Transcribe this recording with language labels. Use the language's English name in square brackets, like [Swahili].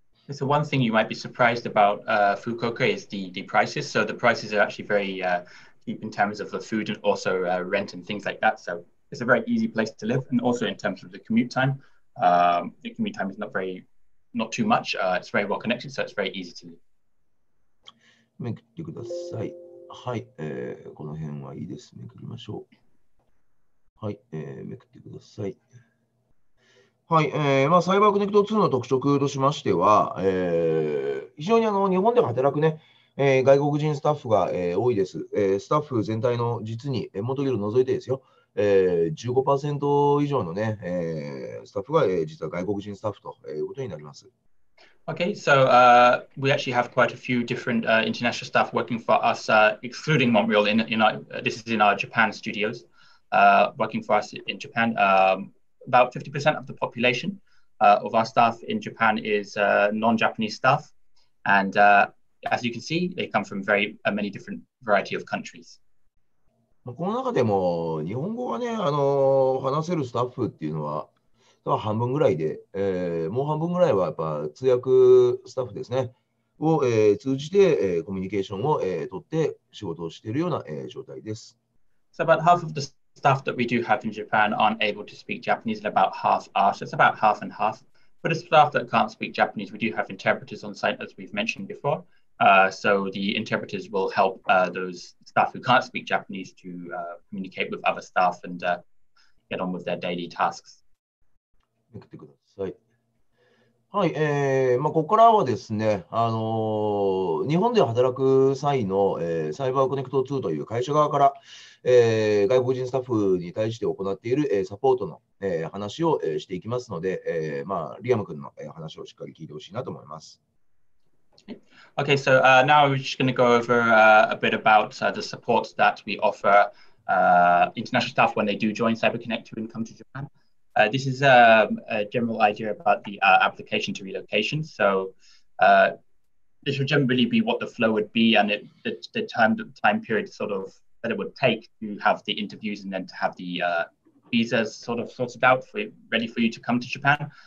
[English] So one thing you might be surprised about Fukuoka is the prices. So the prices are actually very cheap in terms of the food and also rent and things like that. So it's a very easy place to live. And also in terms of the commute time is not too much. It's very well connected, so it's very easy to live. [Japanese] めくってください。はい、この辺はいいです。めくりましょう。はい、めくってください。はい、まあ、サイバーコネクト2の特色としましては、非常に日本で働く、ね外国人スタッフが、多いです、スタッフ全体の実に、元気を除いてですよ、15% 以上の、ねスタッフが、実は外国人スタッフということになります。 [English] Okay, so we actually have quite a few different international staff working for us, excluding Montreal, this is in our Japan studios, working for us in Japan. About 50% of the population of our staff in Japan is non-Japanese staff. And as you can see, they come from very many different variety of countries. [Japanese] この中でも日本語はね、話せるスタッフっていうのは多分半分ぐらいで、もう半分ぐらいはやっぱ通訳スタッフですね、を、通じて、コミュニケーションを、取って仕事をしているような、状態です。 [English] So about half of the staff that we do have in Japan aren't able to speak Japanese, and about half are. So it's about half and half. For the staff that can't speak Japanese, we do have interpreters on site, as we've mentioned before. So the interpreters will help those staff who can't speak Japanese to communicate with other staff and get on with their daily tasks. [Japanese] はい、ここからはですね、日本で働く際の、サイバーコネクト2という会社側から、外国人スタッフに対して行っている、サポートの、話を、していきますので、リアム君の、話をしっかり聞いてほしいなと思います。 [English] Okay, so now we're just going to go over a bit about the support that we offer international staff when they do join CyberConnect2 and come to Japan. This is a general idea about the application to relocation. So this would generally be what the flow would be and the time period sort of that it would take to have the interviews and then to have the visas sort of sorted out for ready for you to come to Japan.